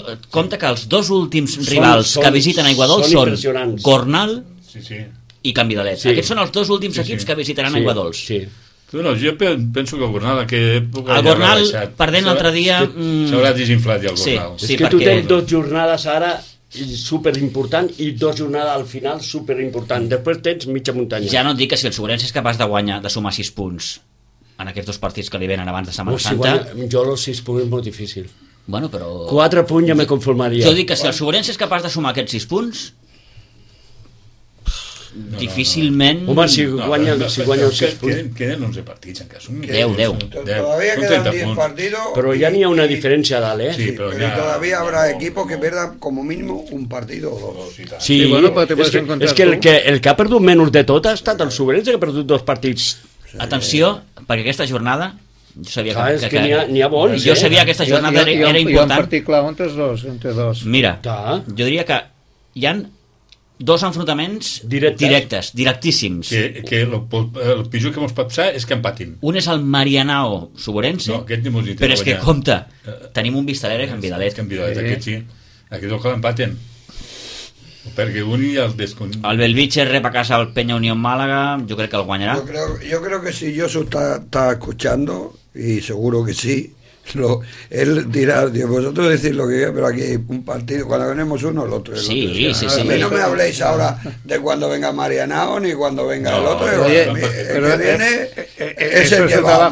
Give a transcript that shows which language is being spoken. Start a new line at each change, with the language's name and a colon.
Catalan: Compte que els dos últims rivals que visiten Aiguadols són Cornal i canvi de l'et. Aquests són els dos últims equips que visitaran Aiguadols. Sí. No, jo penso que el Gornal, que el Gornal perdent l'altre dia s'haurà desinflat ja el Gornal. Sí, és que perquè... tu tens dos jornades ara superimportant i dos jornades al final superimportant, després tens mitja muntanya. Ja no et dic que si el Suburense és capaç de guanyar, de sumar 6 punts en aquests dos partits que li venen abans de Setmana Santa, jo els 6 punts és molt difícil. Bueno, però 4 punts ja me conformaria. Jo dic que si el Suburense és capaç de sumar aquests 6 punts, no, difícilment... Home, si guanya, no, si guanya els 6 punts... Queden 11 partits, en cas. 10.
Spanish: Todavía quedan 10 partidos.
Catalan: Però ja n'hi ha una diferència a dalt, Sí, però ja...
Spanish: Todavía habrá equipos que perdan como mínimo un partido o dos. Sí, sí, bueno,
Catalan: però
Spanish: te puedes encontrar...
Catalan: És que el que ha perdut menys de tot ha estat el Suburense, que ha perdut dos partits. Atenció, perquè aquesta jornada, Jo sabia clar, que n'hi ha bons. Jo sabia que aquesta jornada era important. Hi ha un partit clau entre dos. Mira, jo diria que hi han dos enfrontaments directes, directíssims. Que el pitjor que mos pot passar és que empatin. Un és el Marianao Suborense. No, aquest ni mos hi té. Però és que compte, tenim un Vistalegre amb Vidalet. Aquest sí. Aquest és el que empaten. Perquè un ja el descon... El Belvitge rep a casa el Peña Unión Málaga, jo crec que el guanyarà.
Spanish: Yo creo que si Josu está escuchando, y seguro que sí, él dirá, tío, vosotros decís lo que quieras, pero aquí un partido, cuando ganemos uno, el otro. Sí, el otro. Sí, sí, a mí sí, no sí. Me habléis ahora de cuando venga Marianao ni cuando venga el otro. Oye, pero el que viene es el que va.